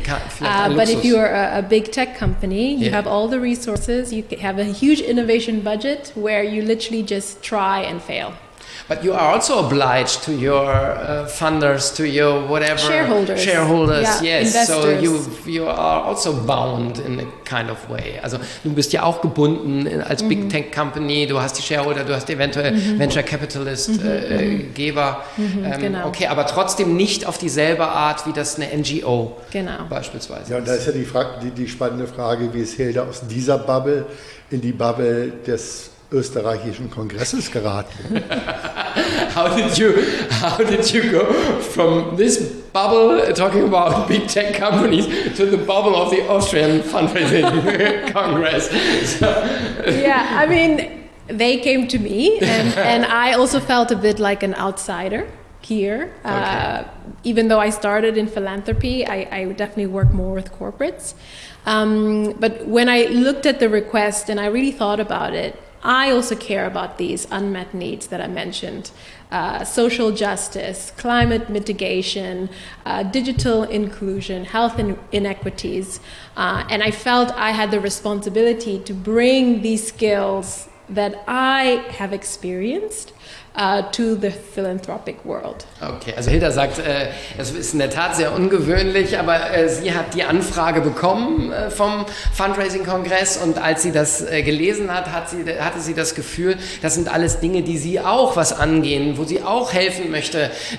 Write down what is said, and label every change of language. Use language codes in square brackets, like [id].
[en] But if you are a big tech company, you yeah. have all the resources, you have a huge innovation budget where you literally just try and fail. But you are also obliged to your funders, to your whatever. Shareholders. Yeah. Yes. Investors. So you are also bound in a kind of way. [de] Also, du bist ja auch gebunden als mm-hmm. Big Tech Company. Du hast die Shareholder, du hast eventuell mm-hmm. Venture Capitalist mm-hmm. Geber. Mm-hmm. Genau. Okay, aber trotzdem nicht auf dieselbe Art, wie das eine NGO genau. beispielsweise ist. Ja, und da ist ja die spannende Frage, wie ist Hilda aus dieser Bubble in die Bubble des österreichischen Kongresses geraten. [en] How did you go from this bubble talking about big tech companies to the bubble of the Austrian Fundraising Congress? So. Yeah, I mean, they came to me and I also felt a bit like an outsider here. Okay. Even though I started in philanthropy, I definitely work more with corporates. But when I looked at the request and I really thought about it, I also care about these unmet needs that I mentioned, social justice, climate mitigation, digital inclusion, health inequities, and I felt I had the responsibility to bring these skills that I have experienced to the philanthropic world. [de] Okay, also Hilda sagt, es ist in der Tat sehr ungewöhnlich, aber sie hat die Anfrage bekommen vom Fundraising-Kongress, und als sie das gelesen hat, hatte sie das Gefühl, das sind alles Dinge, die sie auch was angehen, wo sie auch helfen möchte,